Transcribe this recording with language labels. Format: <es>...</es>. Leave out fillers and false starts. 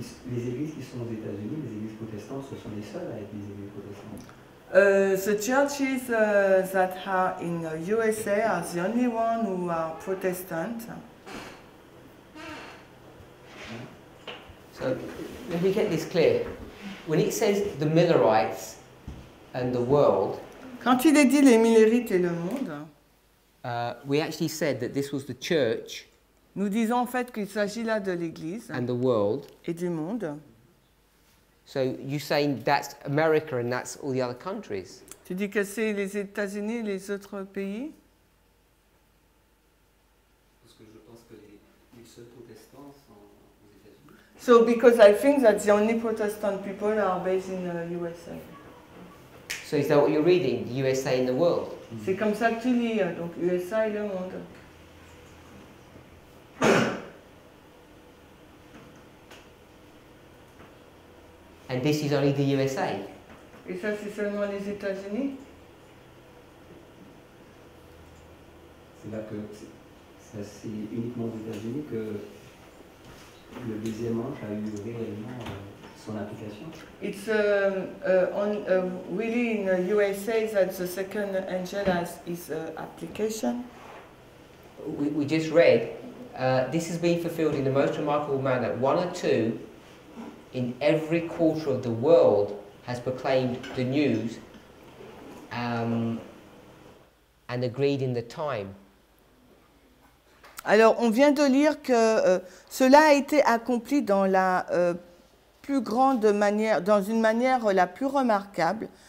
<fr>Les églises qui sont aux États-Unis, les églises protestantes, ce sont les seules à être des églises protestantes.</fr> <en>The churches that are in the USA are the only ones who are Protestant. So, let me get this clear. When it says the Millerites and the world,</en> <fr>quand il est dit les Millerites et le monde,</fr> <en>we actually said that this was the church.</en> <fr>Nous disons en fait qu'il s'agit là de l'Église</fr> <en>and the world.</en> <fr>Et du monde.</fr> <en>So you're saying that's America and that's all the other countries.</en> <fr>Tu dis que c'est les États-Unis et les autres pays? Parce que je pense que les seuls protestants sont aux États-Unis.</fr> <en>So because I think that the only Protestant people are based in the USA. So is that what you're reading, the USA and the world? Mm-hmm.</en> <fr>C'est comme ça que tu lis, donc USA et le monde.</fr> <en>And this is only the USA.</en> <fr>Et ça, c'est seulement les États-Unis. C'est là que ça, c'est uniquement aux États-Unis que le deuxième ange a eu réellement son application.</fr> <en>It's really in the USA that the second angel has his application. We just read, this has been fulfilled in the most remarkable manner. One or two. In every quarter of the world has proclaimed the news and agreed in the time.</en> <fr>Alors, on vient de lire que cela a été accompli dans la plus grande manière, dans une manière la plus remarquable.</fr>